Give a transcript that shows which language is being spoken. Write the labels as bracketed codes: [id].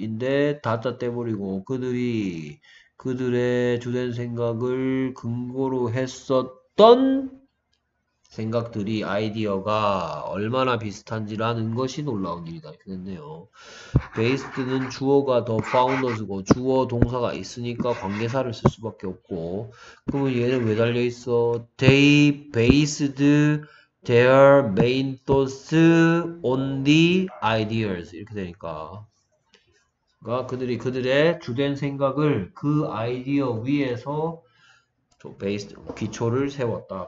[ko] 인데, 다짜 떼버리고, 그들이 그들의 주된 생각을 근거로 했었던 생각들이 아이디어가 얼마나 비슷한지라는 것이 놀라운 일이다. 그랬네요. 베이스드는 주어가 더 파운더스고 주어 동사가 있으니까 관계사를 쓸 수밖에 없고. 그러면 얘는 왜 달려 있어? [en] They based their main thoughts on the ideas. [ko] 이렇게 되니까. 그러니까 그들이 그들의 주된 생각을 그 아이디어 위에서 베이스 기초를 세웠다.